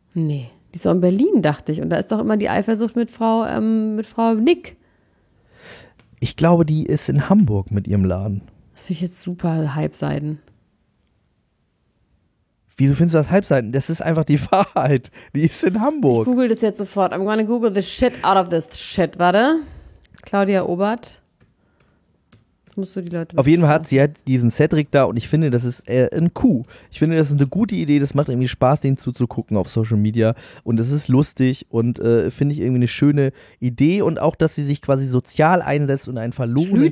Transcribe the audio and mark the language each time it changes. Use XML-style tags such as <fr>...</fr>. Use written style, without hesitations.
<de>Nee, die ist auch in Berlin, dachte ich. Und da ist doch immer die Eifersucht mit Frau Nick. Ich glaube, die ist in Hamburg mit ihrem Laden. Das finde ich jetzt super Halbseiten. Wieso findest du das Halbseiten? Das ist einfach die Wahrheit. Die ist in Hamburg. Ich google das jetzt sofort.</de> <en>I'm gonna google the shit out of this shit.</en> <de>Warte. Claudia Obert. Musst du die Leute auf jeden Fall hat sie halt diesen Cedric da und ich finde, das ist ein Coup. Ich finde, das ist eine gute Idee. Das macht irgendwie Spaß, den zuzugucken auf Social Media und das ist lustig und finde ich irgendwie eine schöne Idee und auch, dass sie sich quasi sozial einsetzt und einen verlorenen</de>